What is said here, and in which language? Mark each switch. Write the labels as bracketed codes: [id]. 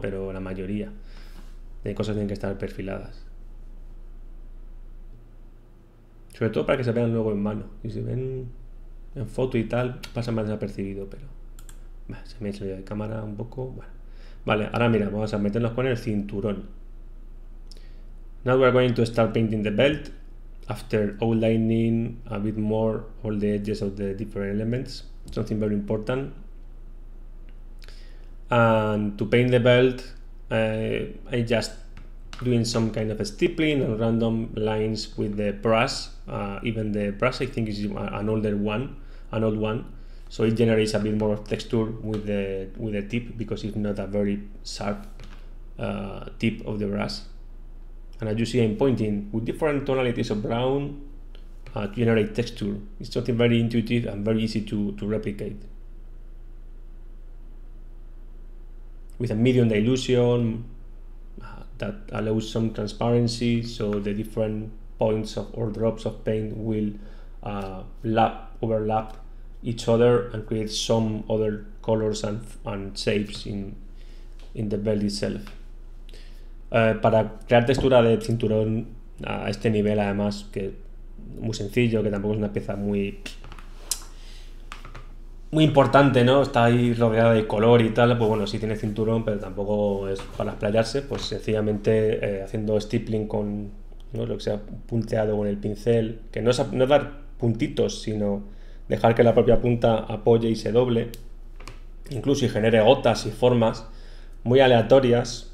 [es] Pero la mayoría de cosas tienen que estar perfiladas. Sobre todo para que se vean luego en mano. Y si ven en foto y tal, pasa más desapercibido, pero. Bah, se me ha salido de cámara un poco. Bueno. Vale, ahora mira, vamos a meternos con el cinturón. [en] Now we are going to start painting the belt. After outlining a bit more all the edges of the different elements. Something very important. And to paint the belt, I just doing some kind of stippling and random lines with the brush. Even the brush, I think, is an older one, an old one. So it generates a bit more of texture with the tip, because it's not a very sharp tip of the brush. And as you see, I'm pointing with different tonalities of brown to generate texture. It's something very intuitive and very easy to replicate. With a medium dilution that allows some transparency, so the different points of or drops of paint will overlap each other and create some other colors and shapes in the belt itself. [es] Para crear textura de cinturón a este nivel, además, que muy sencillo, que tampoco es una pieza muy muy importante, ¿no? Está ahí rodeada de color y tal, pues bueno, sí tiene cinturón, pero tampoco es para explayarse, pues sencillamente haciendo stippling con, ¿no?, lo que sea, punteado con el pincel, que no es, no es dar puntitos, sino dejar que la propia punta apoye y se doble, incluso y genere gotas y formas muy aleatorias.